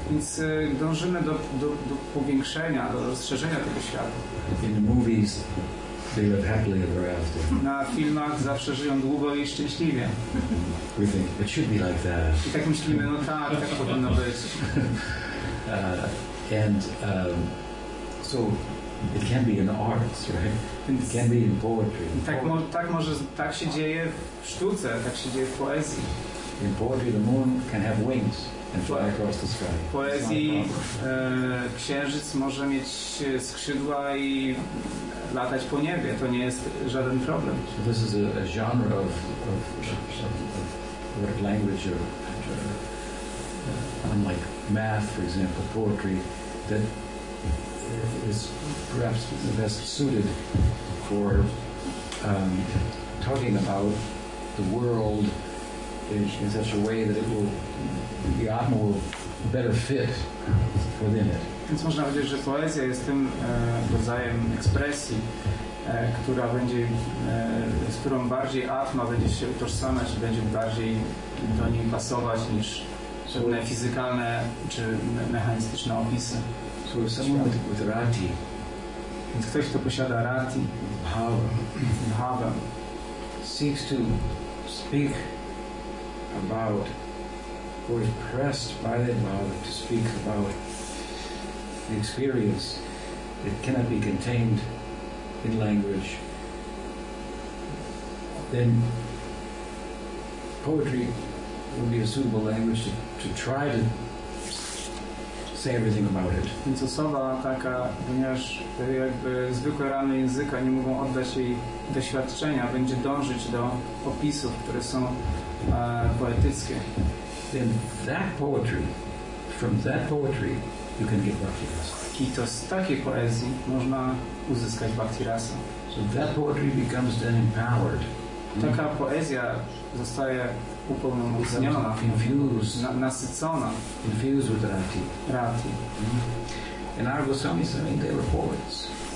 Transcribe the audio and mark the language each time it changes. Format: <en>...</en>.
<pl>Więc dążymy do powiększenia, do rozszerzenia tego świata.</pl> <en>In the movies, they live happily ever after.</en> <pl>Na filmach zawsze żyją długo i szczęśliwie.</pl> <en>We think, it should be like that.</en> <pl>I tak myślimy, no tak powinno być.</pl> <en>So it can be in arts, right? It can be in poetry.</en> <pl>Tak się dzieje w sztuce, tak się dzieje w poezji.</pl> <en>In poetry, the moon can have wings and fly across the sky.</en> <pl>W poezji księżyc może mieć skrzydła i latać po niebie. To nie jest żaden problem.</pl> <en>So this is a genre of language unlike math, for example, poetry, that is perhaps the best suited for talking about the world in such a way that it will, the Atma will better fit within it.</en> <pl>Więc można powiedzieć, że poezja jest tym rodzajem ekspresji, która będzie, z którą bardziej Atma będzie się utożsamać i będzie bardziej do niej pasować niż pewne fizykalne czy mechanistyczne opisy.</pl> <en>So if someone with rati,</en> <pl>więc ktoś, kto posiada rati,</pl> <en>bhava, seeks to speak about, or is pressed by that bhava to speak about the experience that cannot be contained in language, then poetry would be a suitable language to try to say everything about it.</en> <pl>Więc osoba taka, ponieważ jakby zwykłe rany języka nie mogą oddać jej doświadczenia, będzie dążyć do opisów, które są poetyckie.</pl> <en>Then that poetry from that poetry you can get bhakti rasa.</en> <pl>I to z takiej poezji można uzyskać bhakti rasa.</pl> <en>So that poetry becomes then empowered.</en> <pl>Taka poezja zostaje upełnomocniona, nasycona,</pl> <en>infused with rati.</en> <pl>Rati.</pl> <en>And our Goswamis, I mean, they were poets.</en>